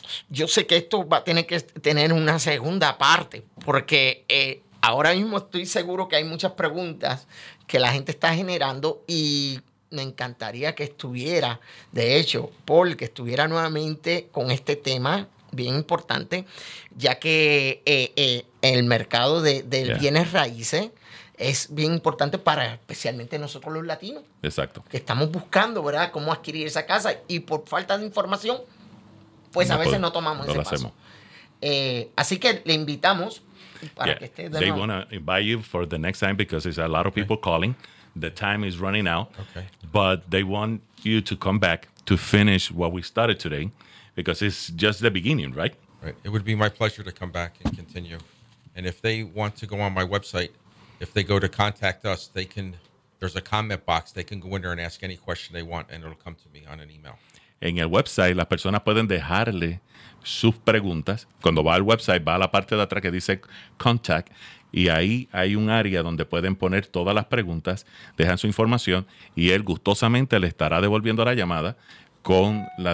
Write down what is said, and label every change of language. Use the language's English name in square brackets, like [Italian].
[Spanish] Yo sé que esto va a tener que tener una segunda parte, porque ahora mismo estoy seguro que hay muchas preguntas que la gente está generando y me encantaría que estuviera, de hecho, Paul, que estuviera nuevamente con este tema bien importante, ya que el mercado de bienes raíces es bien importante para especialmente nosotros los latinos. Exacto. Que estamos buscando, ¿verdad?, cómo adquirir esa casa y por falta de información, pues no, a veces no tomamos ese paso. Así que le invitamos para que esté de nuevo. [English] They want to invite you for the next time because there's a lot of people calling. The time is running out. But they want you to come back to finish what we started today because it's just the beginning, right? Right. It would be my pleasure to come back and continue. And if they want to go on my website, if they go to contact us, they can. There's a comment box. They can go in there and ask any question they want, and it'll come to me on an email. [Spanish] En el website, las personas pueden dejarle sus preguntas. Cuando va al website, va a la parte de atrás que dice contact, y ahí hay un área donde pueden poner todas las preguntas, dejan su información, y él gustosamente le estará devolviendo la llamada con la.